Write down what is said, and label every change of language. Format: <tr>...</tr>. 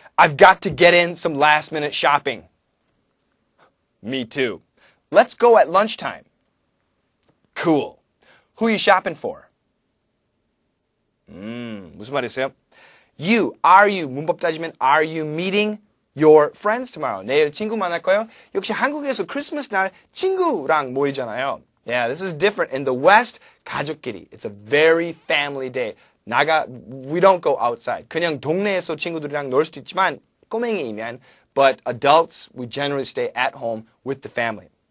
<en>I've got to get in some last minute shopping. Me too. Let's go at lunchtime. Cool. Who are you shopping for?</en> <ko>무슨 말이세요?</ko> <en>You, are you,</en> <ko>문법 따지면</ko> <en>are you meeting your friends tomorrow?</en> <ko>내일 친구 만날 거예요? 역시 한국에서 크리스마스 날 친구랑 모이잖아요.</ko> <en>Yeah, this is different. In the West,</en> <ko>가족끼리.</ko> <en>It's a very family day.</en> <ko>나가,</ko> <en>we don't go outside.</en> <ko>그냥 동네에서 친구들이랑 놀 수도 있지만, 꼬맹이면.</ko> <en>But adults, we generally stay at home with the family.</en>